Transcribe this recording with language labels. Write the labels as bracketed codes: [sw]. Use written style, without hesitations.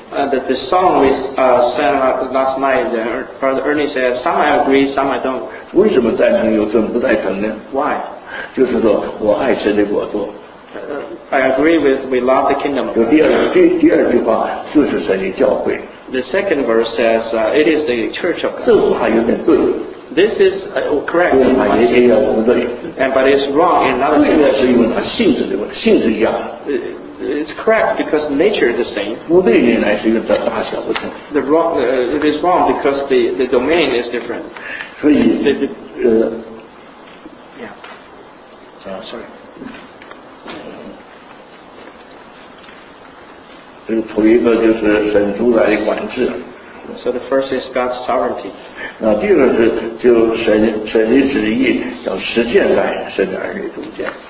[en] The song we sang last night, Brother Ernie said, some I agree, some I don't. [zh] 为什么赞成有什么不赞成呢 [en] ？Why？ [zh] 就是说我爱神的国度。 [en] I agree with we love the kingdom. [zh] 就第二句话就是神的教会。 [en] The second verse says, it is the church of God. [zh] 这话有点对。 [en] This is correct. But it's wrong in another way. [zh] 对呢，是因为它性质一样。 [en] It's correct because nature is the same. [zh] 不对呢，乃是因为它大小不同。 [en] The wrong, it is wrong because the domain is different. [zh] 所以，这个头一个就是神主宰的管制。 [en] So the first is God's sovereignty. [zh] 那第二是就神的旨意要实现在神的儿女中间。